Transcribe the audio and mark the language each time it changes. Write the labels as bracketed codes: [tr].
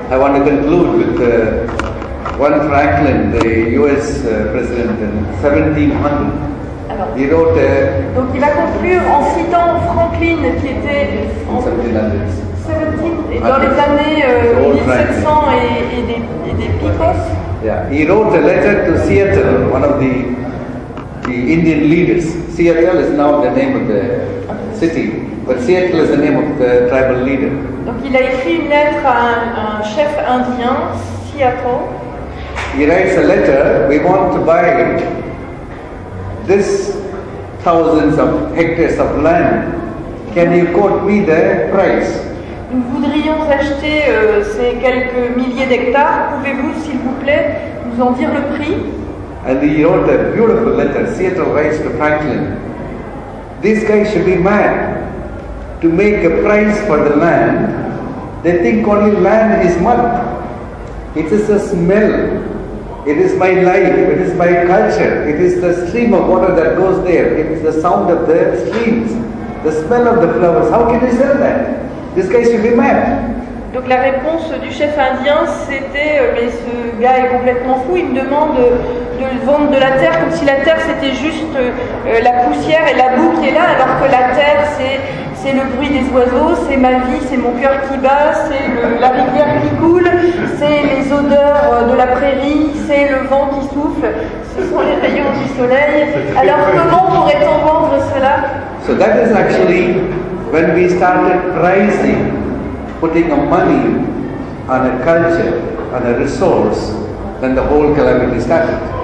[en] I want to conclude with one Franklin, the US president in 1700. [fr] Alors, [en] he wrote, [fr] donc il va conclure en citant Franklin qui était en 1700. Dans les années 1700 et des [en] picos. Yeah, he wrote a letter to Seattle, one of the Indian leaders. Seattle is now the name of the city, but Seattle is the name of the tribal leader. [fr] Donc il a écrit une lettre à un chef indien, Seattle. [en] He writes a letter, we want to buy this thousands of hectares of land. Can you quote me the price? [fr] Nous voudrions acheter ces quelques milliers d'hectares. Pouvez-vous, s'il vous plaît, nous en dire le prix? [en] And he wrote a beautiful letter. Seattle writes to Franklin. These guys should be mad to make a price for the land. They think only land is mud. It is a smell. It is my life. It is my culture. It is the stream of water that goes there. It is the sound of the streams. The smell of the flowers. How can you sell that? This guy should be mad. [fr] Donc la réponse du chef indien c'était mais ce gars est complètement fou, il me demande de vendre de la terre comme si la terre c'était juste la poussière et la boue qui est là, alors que la terre c'est le bruit des oiseaux, c'est ma vie, c'est mon cœur qui bat, c'est la rivière qui coule, c'est les odeurs de la prairie, c'est le vent qui souffle, ce sont les rayons du soleil. Alors comment pourrait-on vendre cela? [en] So that is actually when we started pricing, putting a money on a culture, on a resource, then the whole calamity started.